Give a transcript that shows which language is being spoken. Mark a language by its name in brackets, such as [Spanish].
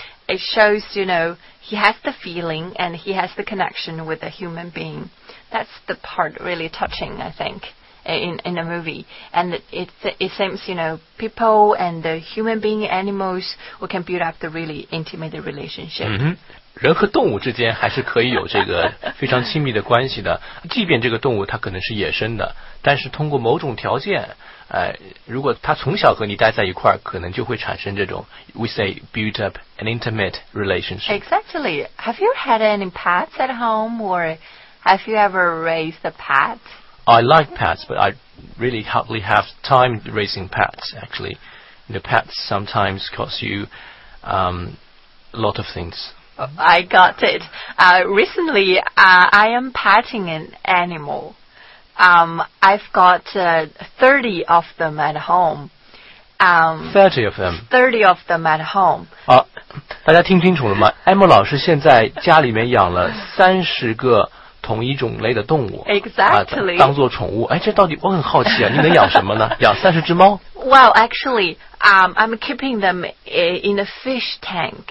[English] It shows, you know, he has the feeling and he has the connection with a human being. That's the part really touching, I think. In a movie. And it seems, you know, people and the human being, animals, we can build up the really intimate relationship. [Chinese] 嗯哼，人和动物之间还是可以有这个非常亲密的关系的。即便这个动物它可能是野生的，但是通过某种条件，如果它从小和你待在一块儿，可能就会产生这种 [English] we say build up an intimate relationship. Exactly. Have you had any pets at home or have you ever raised a pet? I like pets, but I really hardly have time raising pets, actually. The pets sometimes cost you、a lot of things. I got it. Recently, I am petting an animal. I've got 30 of them at home. 30 of them. 30 of them at home. [Chinese] 大家听清楚了吗？艾默老师现在家里面养了30个同一种类的动物。 [English] Exactly. [Chinese] 当做宠物。哎，这到底我很好奇啊，你能养什么呢？养30只猫？ [English] Well, actually, I'm keeping them in a fish tank.